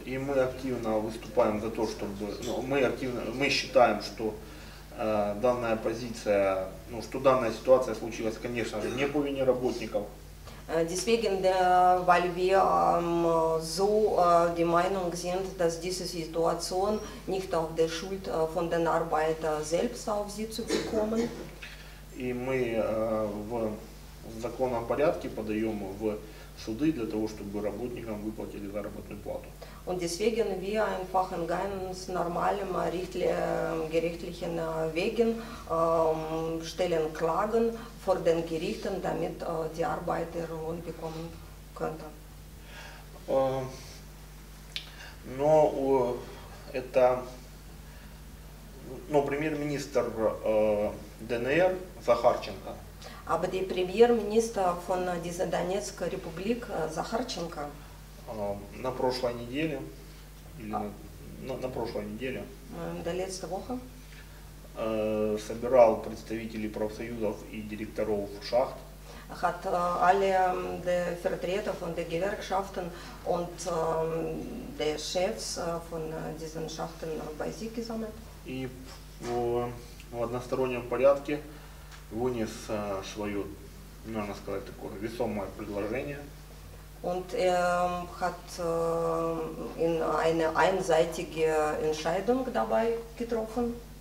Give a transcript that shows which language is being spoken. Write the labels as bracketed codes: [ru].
[ru] И мы активно выступаем за то, чтобы мы считаем, что данная позиция, ну что данная ситуация случилась, конечно же, не по вине работников. [de] Deswegen, weil wir so die Meinung sind, dass diese Situation nicht auf der Schuld von den Arbeitern selbst auf sie zu bekommen. [ru] И мы в законном порядке подаем в суды для того, чтобы работникам выплатили заработную плату. [de] Und deswegen wir einfach in ganz normalen gerichtlichen Wegen stellen Klagen vor den Gerichten, damit die Arbeiter Lohn bekommen könnten. [ru] Но это, но премьер-министр ДНР Захарченко. [de] Aber der Premierminister von dieser Donetsk Republik, Zakharchenko, [ru] на [de] letzten Woche, [ru] собирал представителей профсоюзов и директоров шахт, [de] hat alle die Vertreter von den Gewerkschaften und die Chefs von diesen Schachten bei sich gesammelt. [ru] И в одностороннем порядке вынес свое, можно сказать, такое весомое предложение. [de] Und hat in eine einseitige Entscheidung dabei getroffen.